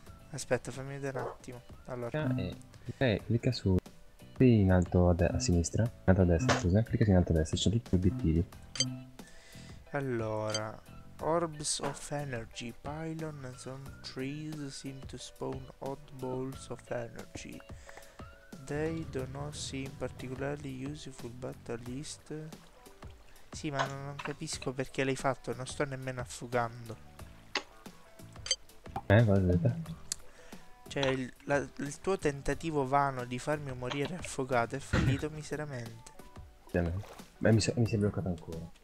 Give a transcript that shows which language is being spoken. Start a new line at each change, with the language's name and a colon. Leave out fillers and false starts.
Italian: Aspetta, fammi vedere un attimo. Allora. Clicca su. Qui in alto a sinistra. In alto a destra, scusa. Clicca in alto a destra, ci sono tutti gli obiettivi. Allora.
English: Orbs of energy. Pylon and some trees seem to spawn odd balls of energy. They do not seem particularly useful, but at least.
Italian: Sì, ma non capisco perché l'hai fatto, non sto nemmeno affugando. Cioè il tuo tentativo vano di farmi morire affogato è fallito miseramente. Beh, mi sei bloccato ancora.